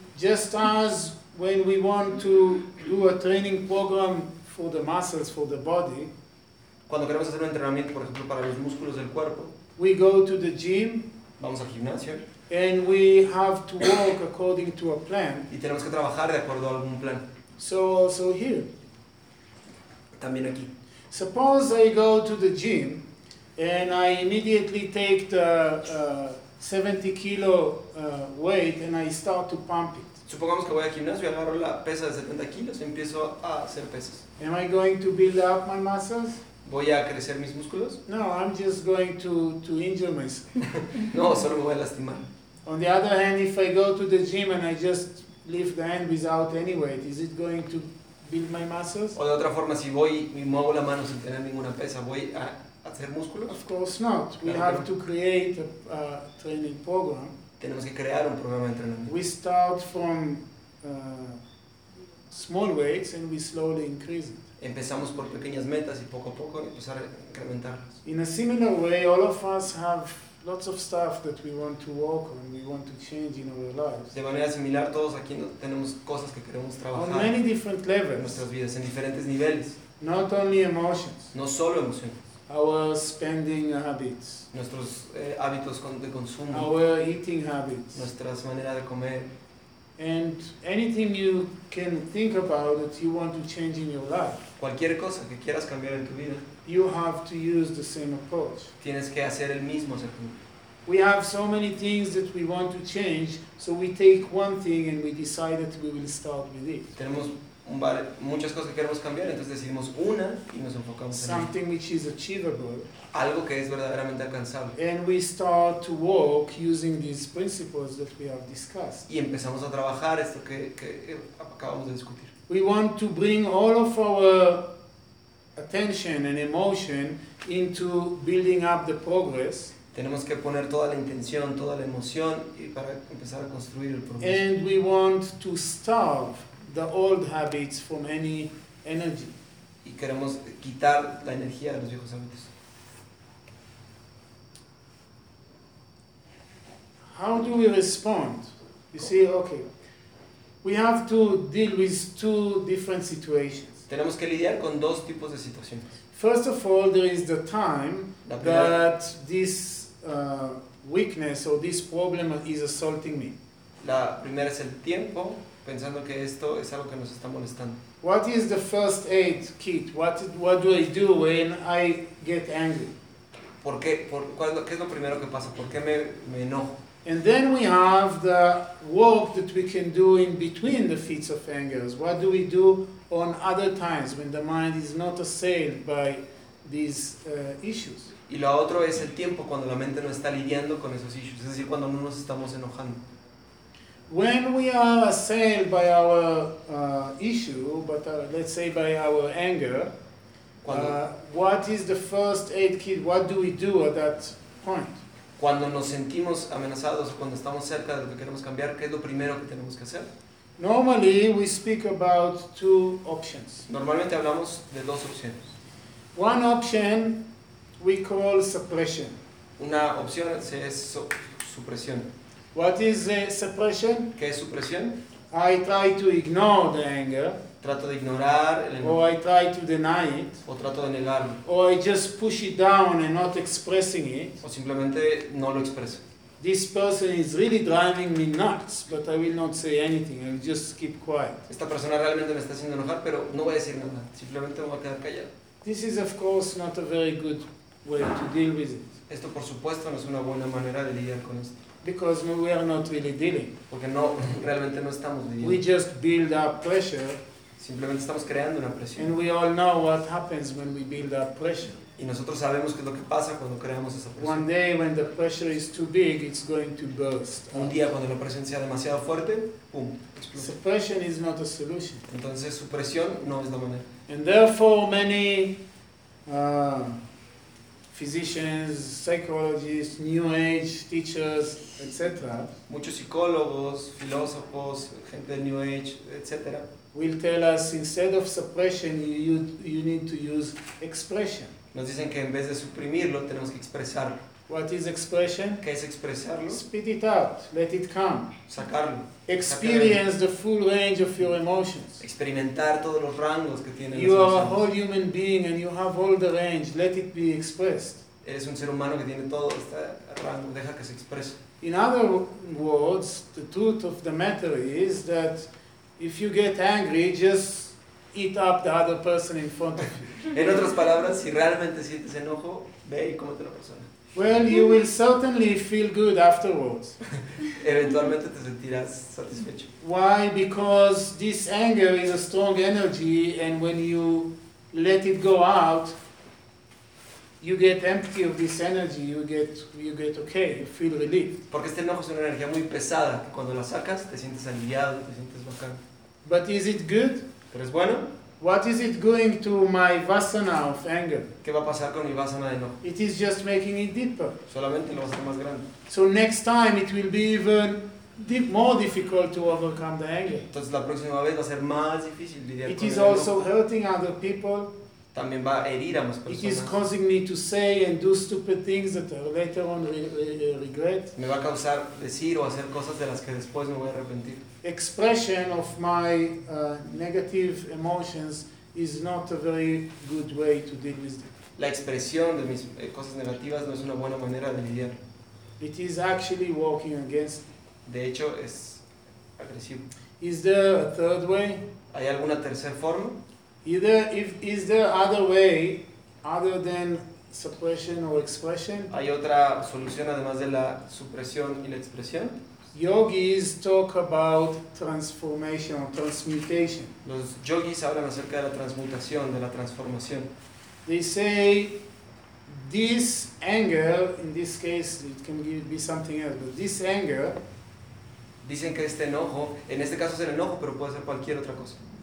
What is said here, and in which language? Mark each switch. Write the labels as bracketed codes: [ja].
[en] Just as when we want to do a training program for the muscles, for the body. [es] Cuando queremos hacer un entrenamiento, por ejemplo, para los músculos del cuerpo. [en] We go to the gym. [es] Vamos al gimnasio. [en] And we have to work according to a plan. [es] Y tenemos que trabajar de acuerdo a algún plan. [en] So also here. [es] También aquí. [en] Suppose I go to the gym and I immediately take the 70 kilo weight and I start to pump it. [es] Supongamos que voy al gimnasio y agarro la pesa de 70 kilos y empiezo a hacer pesas. [en] Am I going to build up my muscles? [es] ¿Voy a crecer mis músculos? [en] No, I'm just going to injure myself. [es] No, solo me voy a lastimar. [en] On the other hand, if I go to the gym and I just lift the hand without any weight, is it going to build my muscles? [es] O de otra forma, si voy y muevo la mano sin tener ninguna pesa, ¿voy a hacer músculos? [en] Of course not. We [es] claro [en] have no to create a training program. [es] Tenemos que crear un programa de entrenamiento. [en] We start from small weights and we slowly increase it. [es] Empezamos por pequeñas metas y poco a poco empezar a incrementarlas. [en] In a similar way, all of us have lots of stuff that we want to work on, we want to change in our lives. [es] De manera similar, todos aquí tenemos cosas que queremos trabajar. [en] On many different levels. [es] En nuestras vidas, en diferentes niveles. [en] Not only emotions. [es] No solo emociones. [en] Our spending habits. [es] Nuestros hábitos de consumo. [en] Our eating habits. [es] Nuestras maneras de comer. [en] And anything you can think about that you want to change in your life. [es] Cualquier cosa que quieras cambiar en tu vida. [en] You have to use the same approach. [es] Tienes que hacer el mismo según. [en] We have so many things that we want to change, so we take one thing and we decide that we will start with it. [es] Tenemos muchas cosas que queremos cambiar, entonces decidimos una y nos enfocamos en [en] something which is achievable. [es] Algo que es verdaderamente alcanzable. [en] And we start to walk using these principles that we have discussed. [es] Y empezamos a trabajar esto que acabamos de discutir. [en] We want to bring all of our attention and emotion into building up the progress. [es] Tenemos que poner toda la intención, toda la emoción y para empezar a construir el progreso. [en] And we want to starve the old habits from any energy. [es] Y queremos quitar la energía de los viejos hábitos. [en] How do we respond? You see, okay. We have to deal with two different situations. [es] Tenemos que lidiar con dos tipos de situaciones. [en] First of all, there is the time that this weakness or this problem is assaulting me. [es] La primera es el tiempo, pensando que esto es algo que nos está molestando. [en] What is the first aid kit? What do I do when I get angry? [es] ¿Por qué? ¿Qué es lo primero que pasa? ¿Por qué me enojo? [en] And then we have the work that we can do in between the fits of anger. What do we do on other times when the mind is not assailed by these issues? [es] Y lo otro es el tiempo cuando la mente no está lidiando con esos issues. Es decir, cuando no nos estamos enojando. [en] When we are assailed by our issue, but let's say by our anger, what is the first aid kit? What do we do at that point? [es] Cuando nos sentimos amenazados, cuando estamos cerca de lo que queremos cambiar, ¿qué es lo primero que tenemos que hacer? [en] Normally, we speak about two options. [es] Normalmente hablamos de dos opciones. [en] One option we call suppression. [es] Una opción es supresión. [en] What is suppression? [es] ¿Qué es supresión? [en] I try to ignore the anger. [es] Trato de ignorar el enojo. [en] Or I try to deny it. [es] O trato de negarlo. [en] Or I just push it down and not expressing it. [es] O simplemente no lo expreso. [en] This person is really driving me nuts, but I will not say anything. I will just keep quiet. [es] Esta persona realmente me está haciendo enojar, pero no voy a decir nada. Simplemente me voy a quedar callado. [en] This is of course not a very good way to deal with it. [es] Esto por supuesto no es una buena manera de lidiar con esto. [en] Because we are not really dealing. [es] Porque no, realmente no estamos lidiando. [en] We just build up pressure. [es] Simplemente estamos creando una presión. [en] And we all know what happens when we build up pressure. [es] Y nosotros sabemos qué es lo que pasa cuando creamos esa presión. [en] One day when the pressure is too big, it's going to burst. [es] Un día cuando la presión sea demasiado fuerte, pum, explota. [en] Suppression is not a solution. [es] Entonces su presión no es la manera. [en] And therefore many physicians, psychologists, new age teachers, etc. [es] Muchos psicólogos, filósofos, gente del new age, etc. [en] will tell us instead of suppression you need to use expression. [es] Nos dicen que en vez de suprimirlo tenemos que expresarlo. [en] What is expression? [es] ¿Qué es expresarlo? [en] Spit it out, let it come. [es] Sacarlo. [en] Experience the full range of your emotions. [es] Experimentar todos los rangos que tienen [en] you [es] las emociones. [en] You are a whole human being and you have all the range. Let it be expressed. [es] Eres un ser humano que tiene todo este rango. Deja que se exprese. [en] In other words, the truth of the matter is that if you get angry, just eat up the other person in front of you. [es] En otras palabras, si realmente sientes enojo, ve y cómete la persona. [en] Well, you will certainly feel good afterwards. [es] Eventualmente te sentirás satisfecho. [en] Why? Because this anger is a strong energy, and when you let it go out, you get empty of this energy. You get okay. You feel relieved. [es] Porque este enojo es una energía muy pesada. Cuando la sacas, te sientes aliviado, te sientes bacán. [en] But is it good? [es] ¿Pero es bueno? [en] What is it going to my vasana of anger? [es] ¿Qué va a pasar con mi vasana de no? [en] It is just making it deeper. [es] Solamente lo va a hacer más grande. [en] So next time it will be even more difficult to overcome the anger. [es] Entonces la próxima vez va a ser más difícil lidiar con el enojo. [en] It is also hurting other people. [es] También va a herir a más personas. [en] It is causing me to say and do stupid things that I later on regret. [es] Me va a causar decir o hacer cosas de las que después me voy a arrepentir. [en] Expression of my negative emotions is not a very good way to deal with them. [es] La expresión de mis cosas negativas no es una buena manera de lidiar. [en] It is actually working against me. [es] De hecho, es agresivo. [en] Is there a third way? [es] ¿Hay alguna tercera forma? [en] Is there other way other than suppression or expression? [es] ¿Hay otra solución además de la supresión y la expresión? [en] Yogis talk about transformation or transmutation. [es] Los yogis hablan acerca de la transmutación, de la transformación. [en] They say this anger, in this case it can be something else, but this anger. [es] Dicen que este enojo, en este caso es el enojo, pero puede ser cualquier otra cosa.